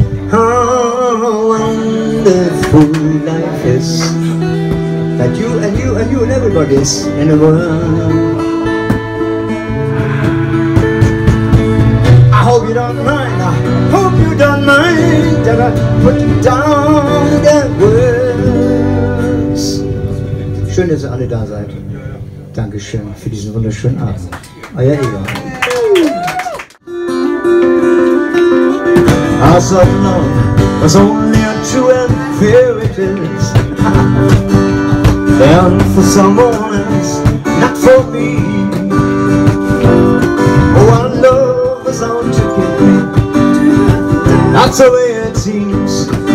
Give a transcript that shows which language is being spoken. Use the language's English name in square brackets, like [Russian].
[English] How wonderful life is, that you and you and you and everybody's in the world. I hope you don't mind. I hope you don't mind that I put down the words. [German] Schön, dass ihr alle da seid. Dankeschön für diesen wunderschönen Abend. Euer Egon. [English] As of now, there's only a true and fairy tales. They're for someone else, not for me. Oh, our love is out to get me. That's the way it seems.